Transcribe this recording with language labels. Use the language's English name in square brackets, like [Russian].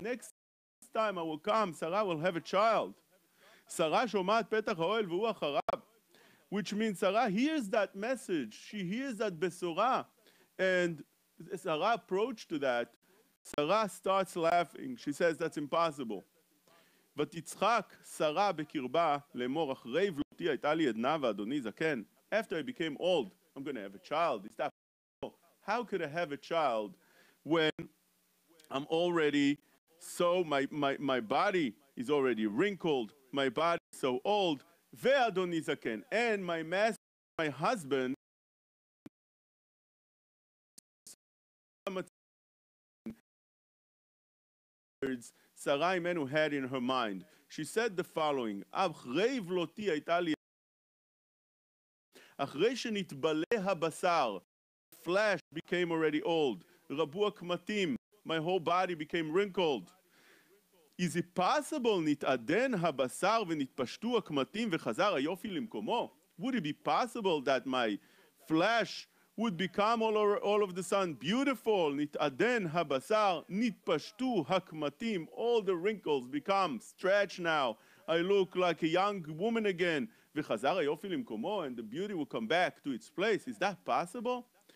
[English] Next time I will come, Sarah will have a child. [Hebrew] Sarah shomat petach ha'oel v'hu acharav, [English] which means Sarah hears that message. She hears that besorah, and Sarah approached to that. Sarah starts laughing. She says, "That's impossible." [Hebrew] ותצחק שרה בקרבה לאמור אחרי ולותי הייתה לי עדנה ואדוני זקן. [English] After I became old, I'm going to have a child. How could I have a child when I'm already so, my body is already wrinkled, my body is so old, [Hebrew] ואדוני זקן, [English] and my master, my husband, Sarah Imenu had in her mind. She said the following, [Hebrew] אחרי ולותי הייתה לי אחרי שנתבלה הבשר, [English] flesh became already old, [Hebrew] רבו הקמטים, [English] my whole body became wrinkled. Is it possible [Hebrew] נתעדן הבשר ונתפשטו הקמטים וחזר היופי למקומו? [English] Would it be possible that my flesh would become all of the sun beautiful, [Hebrew] nit'aden habasar, nitpashtu hakmatim, [English] all the wrinkles become stretched now, I look like a young woman again, [Hebrew] v'chazar ha'yofi limkomo, [English] and the beauty will come back to its place. Is that possible?